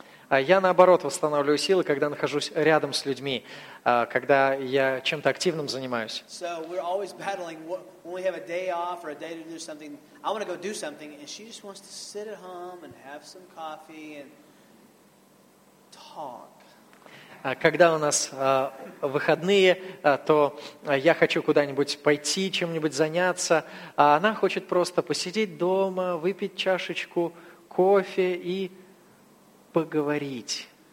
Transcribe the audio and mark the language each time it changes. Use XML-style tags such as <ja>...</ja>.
<ru>Я, наоборот, восстанавливаю силы, когда нахожусь рядом с людьми, когда я чем-то активным занимаюсь.</ru> <en>So we're always battling when we have a day off or a day to do something. I want to go do something, and she just wants to sit at home and have some coffee and talk.</en> <ru>Когда у нас выходные, то я хочу куда-нибудь пойти, чем-нибудь заняться, а она хочет просто посидеть дома, выпить чашечку кофе и поговорить.</ru>